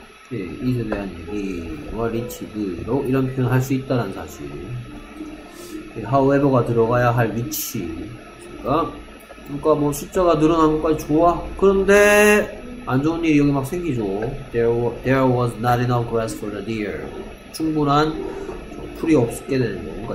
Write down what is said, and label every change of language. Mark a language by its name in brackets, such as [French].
[Korean] 네, 이에 대한 얘기와 리치드로 이런 표현을 할 수 있다는 사실. 네, however가 들어가야 할 위치. 그러니까 뭐 숫자가 늘어난 것까지 좋아. 그런데 안 좋은 일이 여기 막 생기죠. [English] There was not enough grass for the deer. [Korean] 충분한 풀이 없게 되는 거.